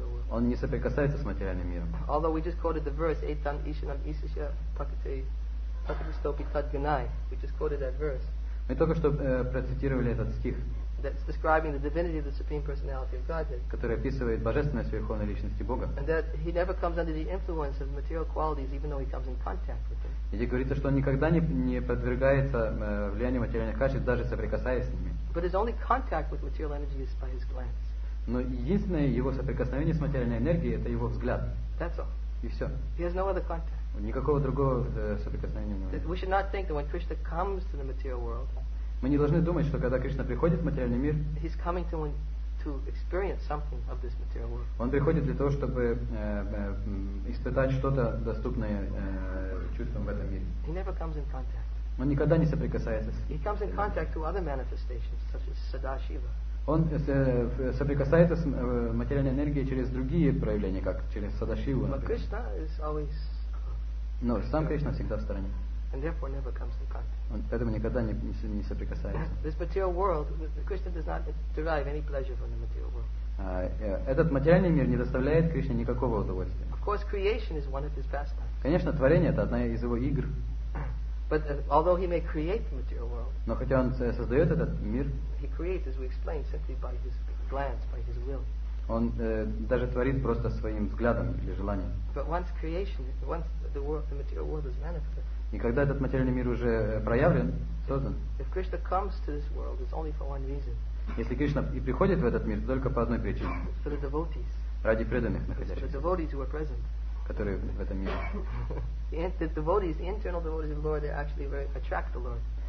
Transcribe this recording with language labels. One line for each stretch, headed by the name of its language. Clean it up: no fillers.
Russian: Он не соприкасается с материальным миром.
English: Although we just quoted the verse
Sanskrit: Etan Ishanam Isisha Pakatistopi Tad Gunai.
English: We just quoted that verse.
Russian: Мы только что процитировали этот стих.
English: That's describing the divinity of the supreme personality of Godhead.
Russian: Который описывает божественность верховной личности Бога.
English: And that he never comes under the influence of material qualities, even though he comes in contact with them.
Russian: И говорится, что он никогда не подвергается влиянию материальных качеств, даже соприкасаясь с ними.
English: But his only contact with material energy is by his glance.
Russian: Но единственное его соприкосновение с материальной энергией — это его взгляд.
English: That's all.
Russian: И все.
English: He has no other contact.
Russian: Никакого другого соприкосновения не имеет.
English: We should not think that when Krishna comes to the material world.
Russian: Мы не должны думать, что когда Кришна приходит в материальный мир,
English: he's coming to experience something of this material world.
Russian: Он приходит для того, чтобы испытать что-то доступное чувствам в этом мире.
English: He never comes in contact.
Russian: Он никогда не соприкасается с
English: He comes in contact to other manifestations, such as Sadashiva.
Russian: Он соприкасается с материальной энергией через другие проявления, как через Садашиву.
English: But Krishna is always.
Russian: Но сам Кришна всегда в стороне.
English: And therefore never comes in contact.
Russian: Поэтому никогда не соприкасается.
English: This material world, Krishna does not derive any pleasure from the material world.
Russian: Этот материальный мир не доставляет Кришне никакого удовольствия.
English: Of course, creation is one of his pastimes.
Russian: Конечно, творение — это одна из его игр.
English: But although he may create the material world.
Russian: Но хотя он создает этот мир.
English: He creates, as we explained, simply by his glance, by his will.
Russian: Он даже творит просто своим взглядом или желанием.
English: But once creation, once the world, the material world is manifested.
Russian: И когда этот материальный мир уже проявлен, создан,
English: if Krishna comes to this world, it's only for one reason.
Russian: Если Кришна и приходит в этот мир, то только по одной причине.
English: For the devotees.
Russian: Ради преданных находящихся.
English: For the devotees who are present.
Russian: Которые в этом мире.
English: The devotees, the internal devotees of the Lord, they actually very attract the Lord.